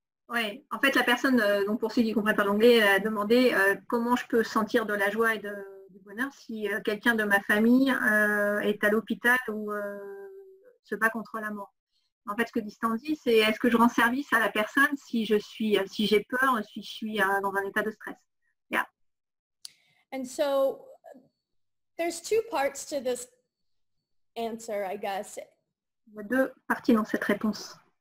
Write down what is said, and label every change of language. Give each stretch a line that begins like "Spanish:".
French: Oui, en fait, la personne, donc pour ceux qui ne comprennent pas l'anglais, a demandé comment je peux sentir de la joie et du bonheur si quelqu'un de ma famille est à l'hôpital ou se bat contre la mort. En fait, ce que dit Stanzie, c'est est-ce que je rends service à la personne si je suis, si j'ai peur, si je suis dans un état de stress.
English: Yeah. And so, there's two parts to this answer, I guess.
French: Il y a deux parties dans cette réponse.